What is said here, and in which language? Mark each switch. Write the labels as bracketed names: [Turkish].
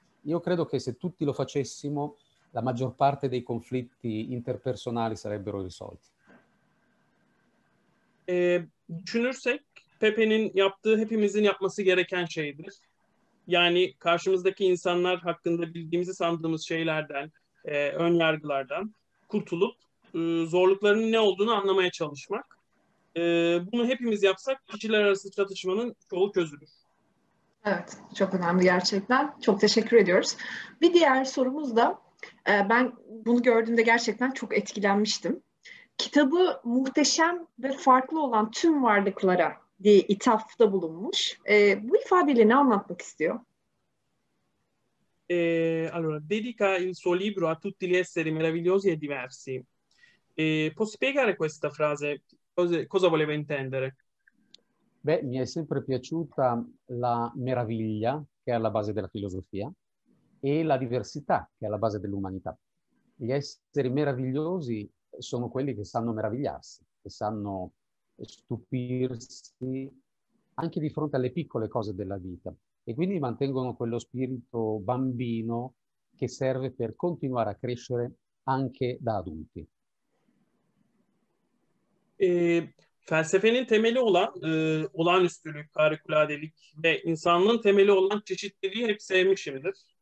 [Italian] Io credo che se tutti lo facessimo, la maggior parte dei conflitti interpersonali sarebbero risolti. [Turkish] Düşünürsek Pepe'nin yaptığı hepimizin yapması gereken şeydir. Yani karşımızdaki insanlar hakkında bildiğimizi sandığımız şeylerden, ön yargılardan kurtulup zorluklarının ne olduğunu anlamaya çalışmak. Bunu hepimiz yapsak kişiler arası çatışmanın çoğu çözülür. Evet, çok önemli gerçekten. Çok teşekkür ediyoruz. Bir diğer sorumuz da, ben bunu gördüğümde gerçekten çok etkilenmiştim. Kitabı muhteşem ve farklı olan tüm varlıklara diye ithafta bulunmuş. Bu ifadeyle ne anlatmak istiyor? [Italian] Allora, dedica il suo libro a tutti gli esseri meravigliosi e diversi. Può spiegare questa frase? Cosa voleva intendere? Beh, mi è sempre piaciuta la meraviglia che è alla base della filosofia e la diversità che è alla base dell'umanità. Gli esseri meravigliosi sono quelli che sanno meravigliarsi, che sanno stupirsi anche di fronte alle piccole cose della vita e quindi mantengono quello spirito bambino che serve per continuare a crescere anche da adulti. [Turkish] Felsefenin temeli olan olağanüstülük, harikuladelik ve insanlığın temeli olan çeşitliliği hep sevmişimdir.